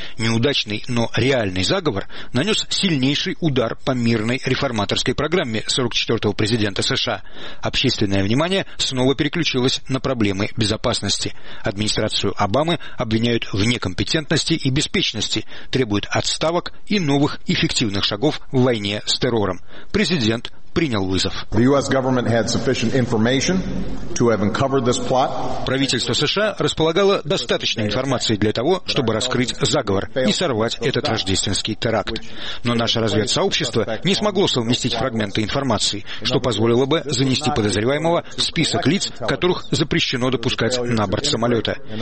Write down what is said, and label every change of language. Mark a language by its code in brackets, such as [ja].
[ru] Неудачный, но реальный заговор нанес сильнейший удар по мирной реформаторской программе 44-го президента США. Общественное внимание снова переключилось на проблемы безопасности. Администрацию Обамы обвиняют в некомпетентности и беспечности, требуют отставок и новых эффективных шагов в войне с террором. Президент принял вызов. [en] The US government had sufficient information to have uncovered this plot. [ru] Правительство США располагало достаточной информацией для того, чтобы раскрыть заговор и сорвать этот рождественский теракт. Но наше разведсообщество не смогло совместить фрагменты информации, что позволило бы занести подозреваемого в список лиц, которых запрещено допускать на борт самолета.